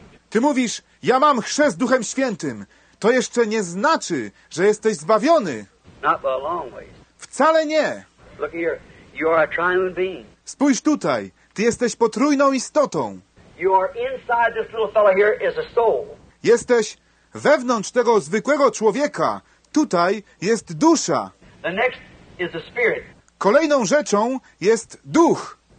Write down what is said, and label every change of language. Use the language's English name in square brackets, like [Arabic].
[Polish] Ty mówisz, ja mam chrzest Duchem Świętym. To jeszcze nie znaczy, że jesteś zbawiony. [English] Not by a long ways. [Polish] Wcale nie. [English] Look here. You are a triune being. [Polish] Spójrz tutaj. Ty jesteś potrójną istotą. [English] You are inside this little fellow here is a soul. [Polish] Jesteś wewnątrz tego zwykłego człowieka. Tutaj jest dusza. [English] The next is the spirit. [Polish] Kolejną rzeczą jest duch.